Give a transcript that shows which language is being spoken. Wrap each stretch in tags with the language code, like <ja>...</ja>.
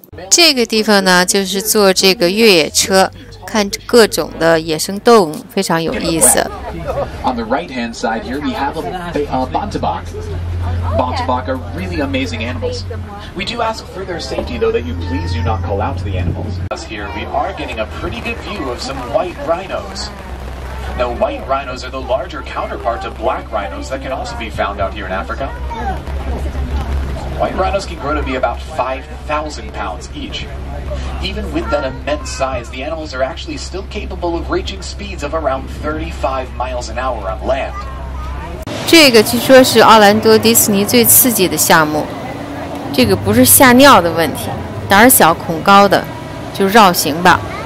<zh>这个地方呢，就是坐这个越野车，看各种的野生动物，非常有意思。</zh> <en>On the right hand side here, we have a Bontebok. Bontebok are really amazing animals. We do ask for their safety, though, that you please do not call out to the animals. Us here, we are getting a pretty good view of some white rhinos. Now, white rhinos are the larger counterpart to black rhinos that can also be found out here in Africa. White rhinos can grow to be about 5,000 pounds each. Even with that immense size, the animals are actually still capable of reaching speeds of around 35 miles an hour on land.</en> <zh>这个据说是奥兰多迪士尼最刺激的项目。这个不是吓尿的问题，胆小恐高的，就绕行吧。</zh>